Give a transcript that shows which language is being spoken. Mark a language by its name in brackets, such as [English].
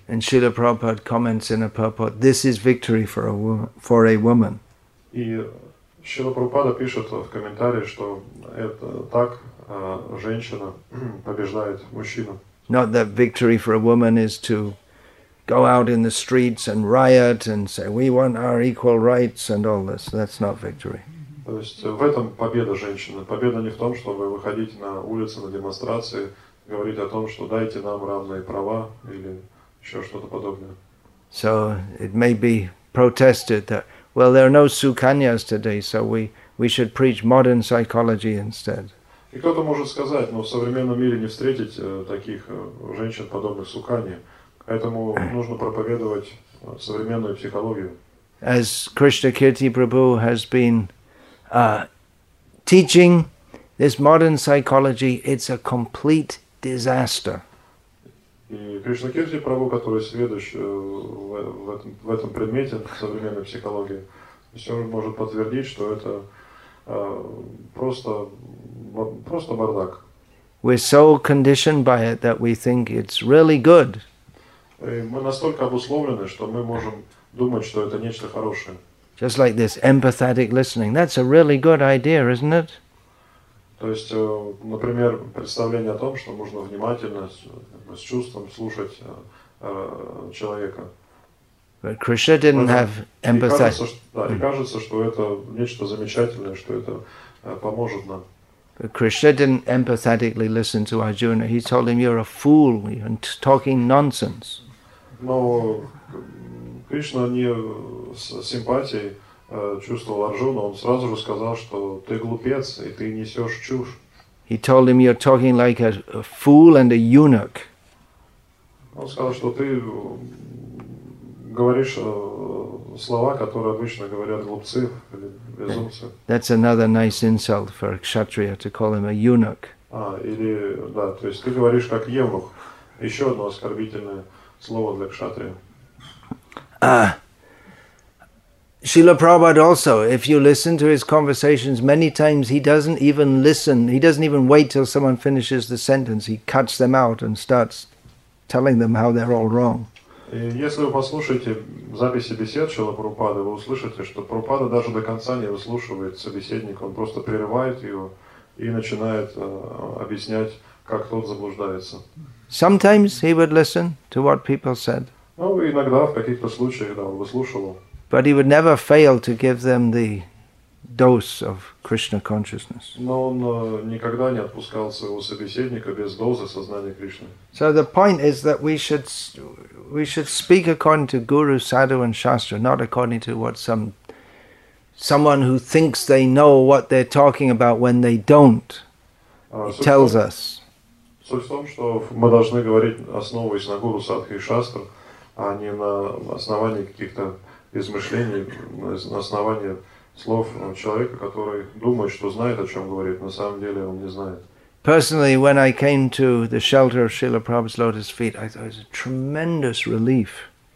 [English] And Srila Prabhupada comments in a purport, this is victory for a woman. [Russian] И Шрила Прабхупада пишет в комментарии, что это так, женщина побеждает мужчину. [English] Not that victory for a woman is to go out in the streets and riot and say, we want our equal rights and all this. That's not victory. [Russian] То есть в этом победа женщины. Победа не в том, чтобы выходить на улицы, на демонстрации, говорить о том, что дайте нам равные права или еще что-то подобное. [English] So it may be protested that, well, there are no Sukanyas today, so we should preach modern psychology instead. [Russian] И кто-то может сказать, но в современном мире не встретить таких женщин, подобных Сукхани. Поэтому нужно проповедовать современную психологию. [English] As Krishna Kirti Prabhu has been teaching this modern psychology, it's a complete disaster. [Russian] И Кришна Кирти Прабху, который сведущ в этом предмете современной психологии, все может подтвердить, что это просто бардак. [English] We're so conditioned by it that we think it's really good. [Russian] И мы настолько обусловлены, что мы можем думать, что это нечто хорошее. [English] Just like this empathetic listening. That's a really good idea, isn't it? [Russian] То есть, например, представление о том, что можно внимательно, с чувством слушать человека. [English] But Krishna didn't have empathy. [Russian] И кажется, что это нечто замечательное, что это поможет нам. [English] But Krishna didn't empathetically listen to Arjuna. He told him, "You're a fool and talking nonsense." [Russian] Но Кришна не с симпатией чувствовал Арджуну. Он сразу же сказал, что ты глупец и ты несешь чушь. [English] He told him, "You're talking like a fool and a eunuch." [Russian] Он сказал, что ты говоришь слова, которые обычно говорят глупцы или безумцы. [English] That's another nice insult for a kshatriya to call him a eunuch. [Russian] То есть ты говоришь как евнух. Еще одно оскорбительное слово для кшатрия. [English] Srila Prabhupada also, if you listen to his conversations, many times he doesn't even listen, he doesn't even wait till someone finishes the sentence, he cuts them out and starts telling them how they're all wrong. [Russian] Если вы послушаете записи бесед Шрилы Прабхупады, вы услышите, что Прабхупада даже до конца не выслушивает собеседника, он просто прерывает его и начинает объяснять, как тот заблуждается. [English] Sometimes he would listen to what people said. [Russian] Иногда в каких-то случаях, да, он выслушивал. [English] But he would never fail to give them the dose of Krishna consciousness. [Russian] Но он никогда не отпускал своего собеседника без дозы сознания Кришны. [English] So the point is that we should speak according to Guru, Sadhu, and Shastra, not according to what someone who thinks they know what they're talking about when they don't tells us. [Russian] Суть в том, что мы должны говорить, основываясь на Гуру, Садху и Шастру, а не на основании каких-то измышлений, на основании слов человека, который думает, что знает, о чем говорит, на самом деле он не знает. [English] Personally, when I came to the shelter of Srila Prabhupada's lotus feet, I thought it was a tremendous relief.